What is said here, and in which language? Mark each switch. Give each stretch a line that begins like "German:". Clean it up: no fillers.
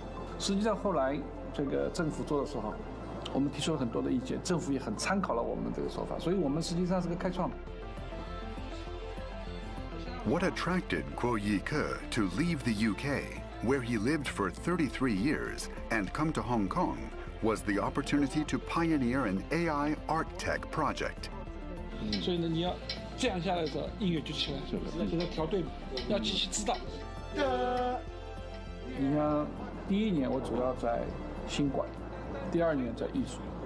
Chinese: 那个安心出行就是最好的例子。那我们最早做的叫BU Check，实际上后来这个政府做的时候。
English: What attracted GUO Yike to leave the UK, where he lived for 33 years, and come to Hong Kong, was the opportunity to pioneer an AI art tech project.
Chinese: 所以呢，你要这样下来的时候，音乐就起来了，就是调对，要机器知道。你看，第一年我主要在新冠，第二年在艺术。